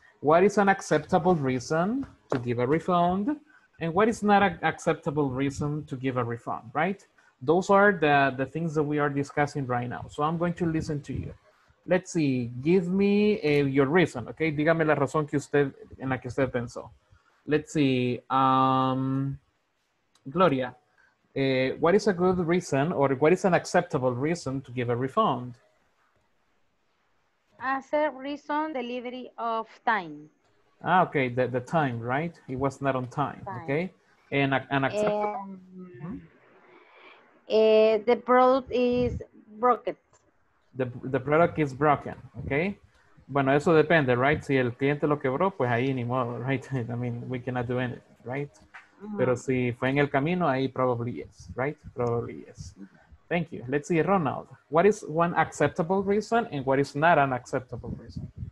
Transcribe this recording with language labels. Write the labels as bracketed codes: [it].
[en] What is an acceptable reason to give a refund? And what is not an acceptable reason to give a refund, right? Those are the things that we are discussing right now. So I'm going to listen to you. Let's see, give me your reason, okay? [es] Dígame la razón que usted, en la que usted pensó. [en] Let's see, Gloria, what is a good reason or what is an acceptable reason to give a refund? Accept reason delivery of time. Ah, okay, the time, right? It was not on time, okay? And acceptable. The product is broken. The product is broken, okay? [es] Bueno, eso depende, [en] right? [es] Si el cliente lo quebró, pues ahí ni modo, right? [en] I mean, we cannot do anything, [es] right? Mm-hmm. Pero si fue en el camino, ahí [en] probably yes, [es] right? [en] Probably yes. Thank you. Let's see, Ronald. What is one acceptable reason and what is not an acceptable reason?